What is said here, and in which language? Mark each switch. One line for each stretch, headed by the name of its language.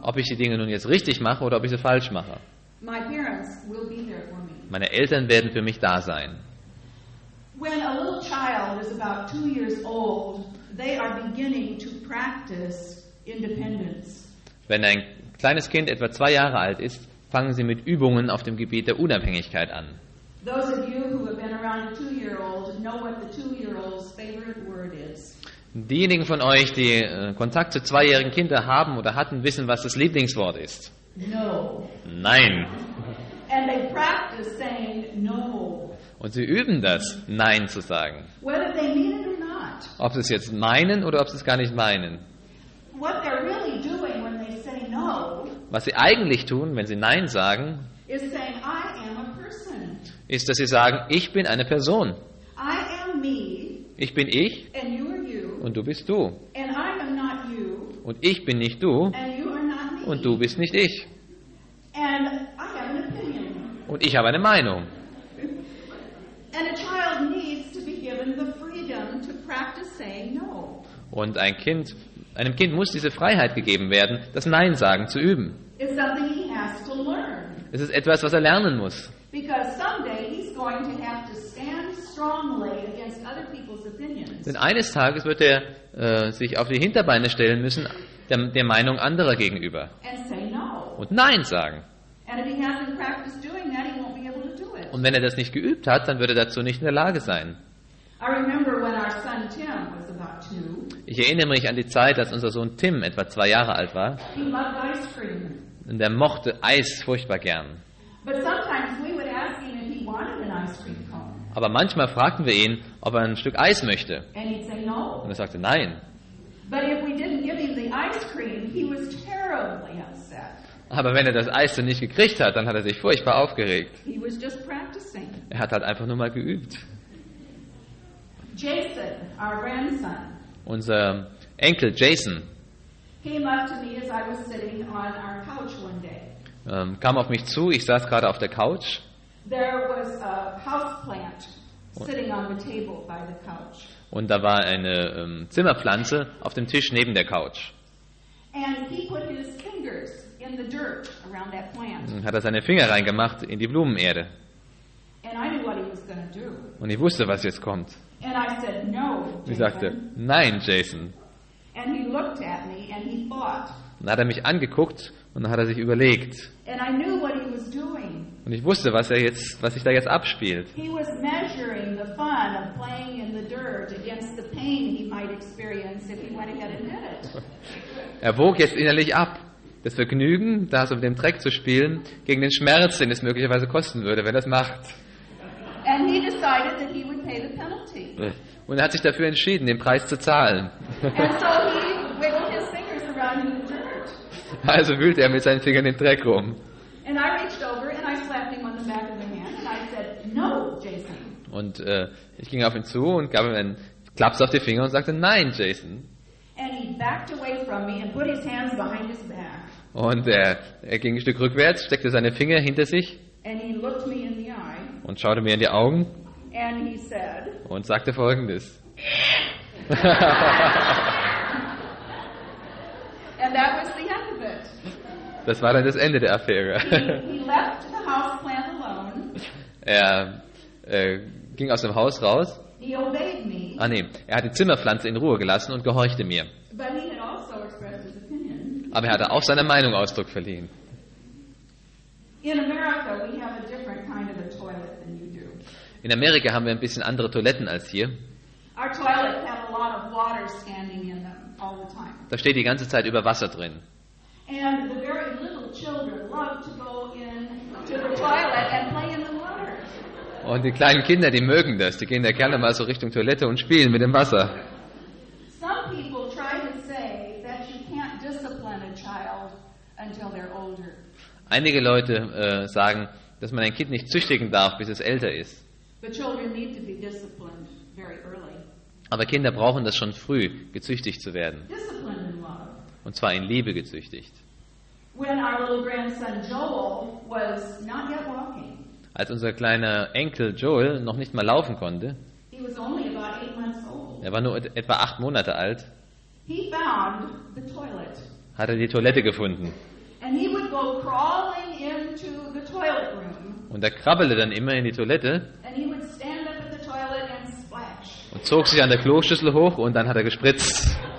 German: Ob ich die Dinge nun jetzt richtig mache oder ob ich sie falsch mache.
English: My parents will be there for me.
German: Meine Eltern werden für mich da sein.
English: When a little child is about 2 years old, they are beginning to practice independence.
German: Wenn ein kleines Kind etwa 2 Jahre alt ist, fangen sie mit Übungen auf dem Gebiet der Unabhängigkeit an.
English: Those of you who have been around a two-year-old know what the two-year-old's favorite word is.
German: Diejenigen von euch, die Kontakt zu zweijährigen Kindern haben oder hatten, wissen, was das Lieblingswort ist.
English: No.
German: Nein.
English: And they practice saying no.
German: Und sie üben das, Nein zu sagen.
English: Whether they mean it or not.
German: Ob sie es jetzt meinen oder ob sie es gar nicht meinen.
English: What they're really doing when they say no.
German: Was sie eigentlich tun, wenn sie Nein sagen,
English: is saying I am a person.
German: Ist, dass sie sagen, ich bin eine Person.
English: I am me,
German: ich bin ich.
English: And you are you,
German: und du bist du.
English: And I am not you,
German: und ich bin nicht du.
English: And you are not me,
German: und du bist nicht ich.
English: And I am
German: und ich habe eine Meinung.
English: And a child needs to be given the freedom to practice saying no.
German: Und einem Kind muss diese Freiheit gegeben werden, das Nein sagen zu üben.
English: It's something he has to learn.
German: Es ist etwas, was er lernen muss.
English: Because someday he's going to have to stand strongly against other people's opinions.
German: Denn eines Tages wird er sich auf die Hinterbeine stellen müssen der Meinung anderer gegenüber.
English: And say no.
German: Und Nein sagen.
English: And if he hasn't practiced doing that, he won't be able to do it.
German: Und wenn er das nicht geübt hat, dann wird er dazu nicht in der Lage sein.
English: I remember when our son Tim was about two.
German: Ich erinnere mich an die Zeit, als unser Sohn Tim etwa 2 Jahre alt war.
English: He loved ice cream.
German: Und er mochte Eis furchtbar gern.
English: But sometimes we would ask him if he wanted an ice cream cone.
German: Aber manchmal fragten wir ihn, ob er ein Stück Eis möchte.
English: And he'd say no.
German: Und er sagte nein.
English: But if we didn't give him the ice cream, he was terribly upset.
German: Aber wenn er das Eis dann nicht gekriegt hat, dann hat er sich furchtbar aufgeregt.
English: He was just practicing.
German: Er hat halt einfach nur mal geübt.
English: Jason, our grandson.
German: Unser Enkel Jason.
English: Came up to me as I was sitting on our couch one day.
German: Kam auf mich zu, ich saß gerade auf der Couch.
English: There was a houseplant sitting on the table by the couch.
German: Und da war eine Zimmerpflanze auf dem Tisch neben der Couch.
English: And he put his fingers in the dirt around that plant.
German: Hat er seine Finger reingemacht in die Blumenerde.
English: And I knew what he was gonna do.
German: Und ich wusste, was jetzt kommt.
English: And I said, no, Jason.
German: Ich sagte, nein, Jason.
English: And he looked at me and he thought.
German: Dann hat er mich angeguckt und dann hat er sich überlegt.
English: And I knew what he was doing.
German: Und ich wusste, was sich da jetzt abspielt.
English: He was measuring the fun of playing in the dirt against the pain he might experience if he went ahead and did it.
German: Er wog jetzt innerlich ab, das Vergnügen, da so mit dem Dreck zu spielen, gegen den Schmerz, den es möglicherweise kosten würde, wenn er es macht.
English: And he decided that he would pay the penalty.
German: Und er hat sich dafür entschieden, den Preis zu zahlen.
English: So he wiggled his fingers around in the dirt.
German: Also wühlte er mit seinen Fingern den Dreck rum.
English: And I reached over and I slapped him on the back of the hand and I said, no, Jason.
German: Und ich ging auf ihn zu und gab ihm einen Klaps auf die Finger und sagte, nein, Jason.
English: And he backed away from me and put his hands behind his back.
German: Und er ging ein Stück rückwärts, steckte seine Finger hinter sich.
English: And he looked me in the eye.
German: Und schaute mir in die Augen.
English: And he said,
German: und sagte Folgendes.
English: And that was the end of it.
German: Das war dann das Ende der Affäre.
English: He left the house plant alone.
German: Er ging aus dem Haus raus.
English: He obeyed me.
German: Ah nee, er hat die Zimmerpflanze in Ruhe gelassen und gehorchte mir.
English: But he had also expressed his opinion.
German: Aber er hatte auch seiner Meinung Ausdruck verliehen. In Amerika haben wir ein anderes
English: kind of a toilet than you do.
German: In Amerika haben wir ein bisschen andere Toiletten als hier.
English: Our toilets have a lot of water standing in them all the time.
German: Da steht die ganze Zeit über Wasser drin.
English: And the very little children love to go in to the toilet and play in the water.
German: Und die kleinen Kinder, die mögen das. Die gehen da gerne mal so Richtung Toilette und spielen mit dem Wasser.
English: Some people try to say that you can't discipline a child until they're older.
German: Einige Leute sagen, dass man ein Kind nicht züchtigen darf, bis es älter ist.
English: But children need to be disciplined very early.
German: Aber Kinder brauchen das schon früh, gezüchtigt zu werden.
English: Discipline in love.
German: Und zwar in Liebe gezüchtigt.
English: When our little grandson Joel was not yet walking.
German: Als unser kleiner Enkel Joel noch nicht mal laufen konnte.
English: He was only about 8 months old.
German: Er war nur etwa 8 Monate alt.
English: He found the toilet.
German: Hat er die Toilette gefunden.
English: And he would go crawling into the toilet room.
German: Und er krabbelte dann immer in die Toilette.
English: And he would stand up at the toilet and splash.
German: Und zog sich an der Kloschüssel hoch und dann hat er gespritzt.